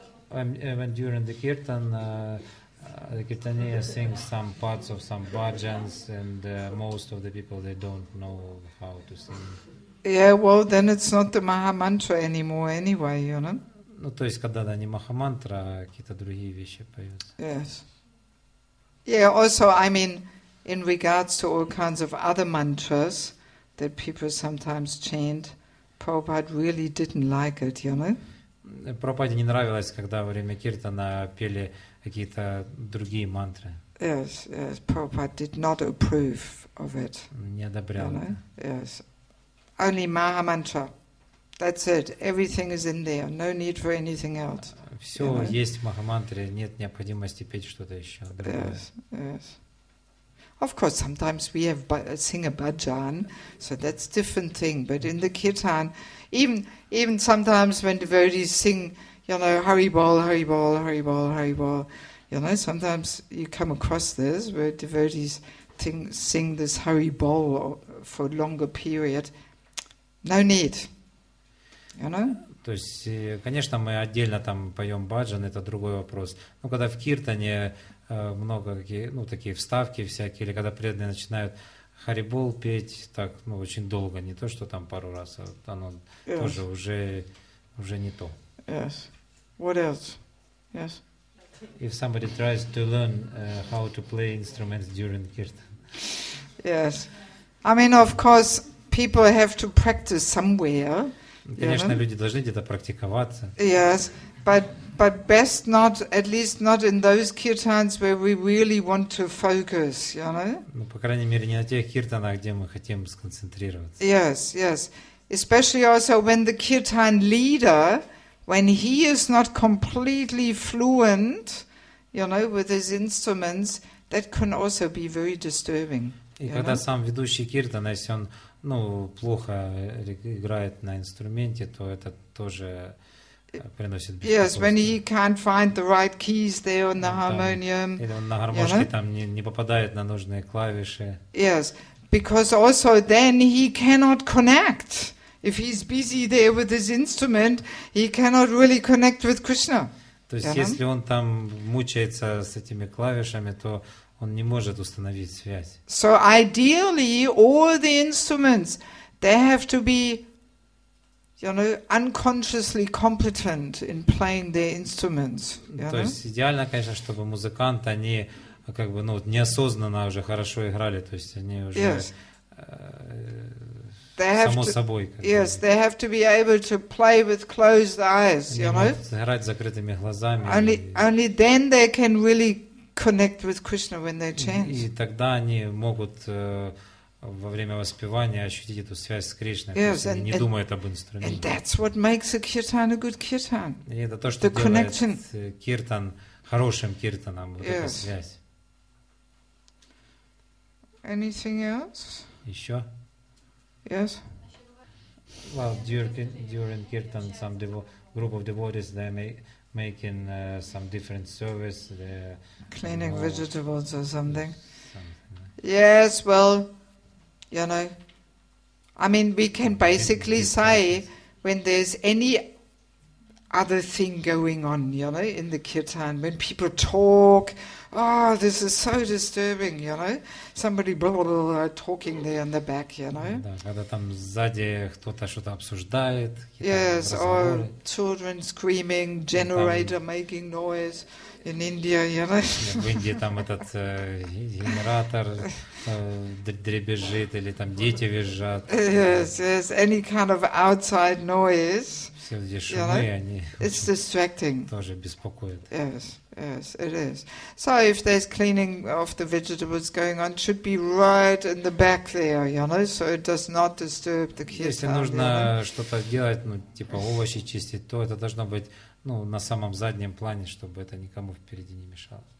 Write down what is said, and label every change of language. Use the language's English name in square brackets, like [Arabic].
[English] When during the kirtan, the kirtaniya sings some parts of some bhajans, and most of the people they don't know how to sing. Yeah, well, then it's not the Maha Mantra anymore anyway, you know? [Russian] Ну, то есть, когда да, не Маха Мантра, а какие-то другие вещи поются. [English] Yes. Yeah, also, I mean, in regards to all kinds of other mantras that people sometimes chant, Prabhupada really didn't like it, you know? [Russian] Прабхупаде не нравилось, когда во время киртана пели какие-то другие мантры. [English] Yes, yes, Prabhupada did not approve of it. [Russian] Не одобрял. [English] Yes. Only Maha Mantra. That's it. Everything is in there. No need for anything else. [Russian] Все [English] you know? [Russian] Есть в Махамантре, нет необходимости петь что-то еще другое. [English] Yes, yes. Of course, sometimes we have sing a bhajan, so that's a different thing. But in the kirtan, even sometimes when devotees sing, you know, Hari Bol, Hari Bol, Hari Bol, Hari Bol, you know, sometimes you come across this where devotees sing this Hari Bol for a longer period. No need. You know? [Russian] То есть, конечно, мы отдельно там поем баджан, это другой вопрос. Но когда в киртане много какие, ну, такие вставки всякие, или когда преданные начинают харибол петь, так, ну, очень долго, не то, что там пару раз, а оно [English] yes. [Russian] тоже уже не то. [English] Yes. What else? Yes. If somebody tries to learn how to play instruments during kirtan. Yes. I mean, of course, people have to practice somewhere. [Russian] Конечно, [English] yeah. [Russian] люди должны где-то практиковаться. [English] Yes, but best not, at least not in those kirtans where we really want to focus, you know? [Russian] Ну, по крайней мере, не на тех киртанах, где мы хотим сконцентрироваться. [English] Yes, yes. Especially also when the kirtan leader, when he is not completely fluent, you know, with his instruments, that can also be very disturbing. [Russian] И когда сам ведущий киртана, если он ну, плохо играет на инструменте, то это тоже приносит беспокойство. [English] Yes, when he can't find the right keys there on the harmonium. [Russian] Или он на гармошке yeah. там не попадает на нужные клавиши. [English] Yes, because also then he cannot connect. If he's busy there with his instrument, he cannot really connect with Krishna. [Russian] То есть, если он там мучается с этими клавишами, то он не может установить связь. [English] So ideally, all the instruments, they have to be, you know, unconsciously competent in playing their instruments. [Russian] То есть идеально, конечно, чтобы музыканты, они как бы, ну, неосознанно уже хорошо играли, то есть они уже само собой. [English] Yes, they have to be able to play with closed eyes, you know. [Russian] Играть с закрытыми глазами. [English] Only then they can really connect with Krishna when they chant. [Russian] И тогда они могут во время воспевания ощутить эту связь с Кришной, [English] yes, [Russian] не думают об инструменте. [English] And that's what makes a kirtan a good kirtan. [Russian] И это то, что делает киртан хорошим киртаном, вот [English] yes. [Russian] эта связь. [English] Anything else? [Russian] Еще? [English] Yes. Well, during kirtan, some group of devotees, they may making some different service, cleaning vegetables or something. Yes, well, you know, I mean, we can basically say when there's any other thing going on, you know, in the kirtan, when people talk, oh, this is so disturbing, you know, somebody blah, blah, blah, talking there in the back, you know. [Russian] Когда там сзади кто-то что-то обсуждает. [English] Yes, or children screaming, generator making noise in India, you know. [Russian] В Индии там этот генератор дребезжит, или там дети визжат. [English] Yes, yes, any kind of outside noise. [Russian] Где шумы, [English] you know? [Russian] Они [English] it's distracting. [Russian] Тоже беспокоят. [English] Yes, yes, it is. So if there's cleaning of the vegetables going on, it should be right in the back there, you know, so it does not disturb the kirtan. [Russian] Если нужно что-то делать, ну, типа овощи чистить, то это должно быть, ну, на самом заднем плане, чтобы это никому впереди не мешало.